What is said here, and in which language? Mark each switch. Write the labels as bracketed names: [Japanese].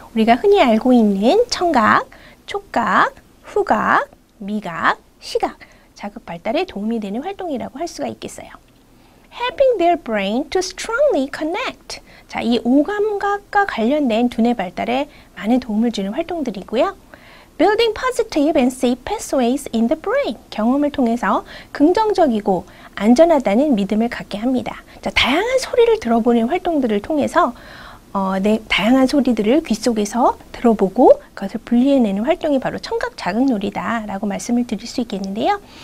[Korean] 우리가 흔히 알고 있는 청각, 촉각, 후각, 미각, 시각 자극 발달에 도움이 되는 활동이라고 할 수가 있겠어요. [English] Helping their brain to strongly connect. [Korean] 자, 이 오감각과 관련된 두뇌 발달에 많은 도움을 주는 활동들이고요. [English] Building positive and safe pathways in the brain. [Korean] 경험을 통해서 긍정적이고 안전하다는 믿음을 갖게 합니다. 자, 다양한 소리를 들어보는 활동들을 통해서 다양한 소리들을 귀 속에서 들어보고 그것을 분리해내는 활동이 바로 청각 자극 놀이다라고 말씀을 드릴 수 있겠는데요.